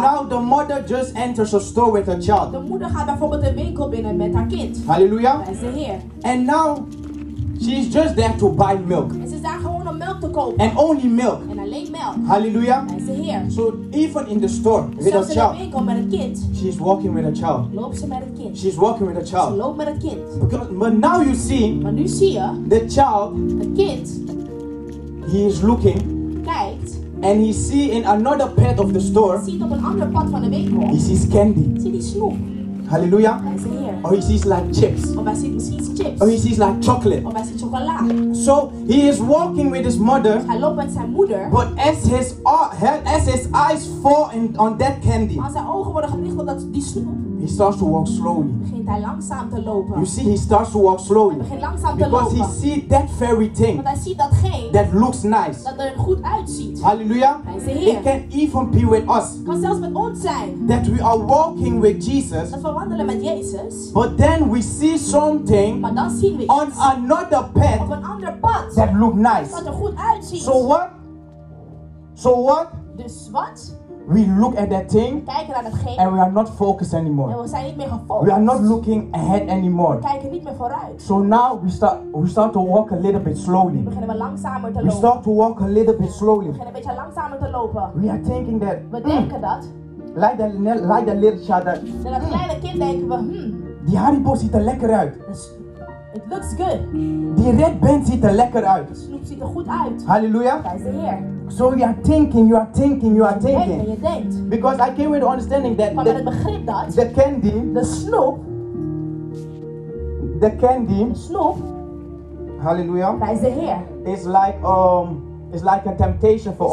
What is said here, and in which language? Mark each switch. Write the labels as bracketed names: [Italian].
[English] Now the mother just enters a store with her child. [Dutch] De moeder gaat bijvoorbeeld een winkel binnen met haar kind. Hallelujah. Prijs de Heer. [English] And now, she is just there to buy milk. [Dutch] En ze is daar gewoon om melk te kopen. [English] And only milk. [Dutch] En alleen melk. Hallelujah. Prijs de Heer. [English] So even in the store with her child. [Dutch] Zelfs in de winkel met het kind. [English] She is walking with her child. [Dutch] Loopt ze met het kind. [English] She is walking with her child. [Dutch] Ze loopt met het kind. [English] But now you see. [Dutch] Maar nu zie je. [English] The child. [Dutch] Het kind. [English] He is looking. [Dutch] Kijkt. [English] And he see in another part of the store. [Dutch] Ziet op een andere part van de winkel. [English] He sees candy. [Dutch] Ziet hij snoep. Hallelujah. Hij [English] or he sees like chips. [Dutch] Of hij ziet misschien chips. [English] Or he sees like chocolate. [Dutch] Of hij ziet chocola. [English] So he is walking with his mother. [Dutch] Hij loopt met zijn moeder. [English] But as his eyes fall on that candy. [Dutch] Als zijn ogen worden gericht op dat die snoep. [English] He starts to walk slowly. [Dutch] Begint hij langzaam te lopen. [English] You see, he starts to walk slowly. [Dutch] Hij begint langzaam te [English] because [Dutch] lopen. [English] Because he sees that very thing. [Dutch] Want hij ziet datgene. [English] That looks nice. [Dutch] Dat er goed uitziet. Hallelujah. Hij is [English] it can even be with us. [Dutch] Kan zelfs met ons zijn. [English] That we are walking with Jesus. [Dutch] Dat wandelen met Jezus. [English] But then we see something [Dutch] maar dan zien we [English] on another path [Dutch] op een ander pad [English] that look nice. [Dutch] Wat er goed uitziet. [English] So what? So what? [Dutch] Dus wat? [English] We look at that thing [Dutch] we kijken naar hetgeen [English] and we are not focused anymore. [Dutch] En we zijn niet meer gefocust. [English] We are not looking ahead anymore. [Dutch] We kijken niet meer vooruit. [English] So now we start to walk a little bit slowly. [Dutch] We beginnen maar langzamer te lopen. [English] We start to walk a little bit slowly. [Dutch] We beginnen een beetje langzamer te lopen. [English] We are thinking that [Dutch] we denken dat [English] Like the little child that. [Dutch] Dan dat kleine kind denken we. Die Haribo ziet er lekker uit. [English] It looks good. [Dutch] Die Red Band ziet er lekker uit. De snoep ziet er goed uit. Hallelujah. Prijs de Heer. [English] So you are thinking. [Dutch] Je denkt. [English] Because I came with the understanding that. [Dutch] Maar met het begrip dat. [English] The candy. [Dutch] De snoep. [English] The candy. [Dutch] De snoep. Hallelujah. Prijs de Heer. [English] Is like It's like a temptation for us.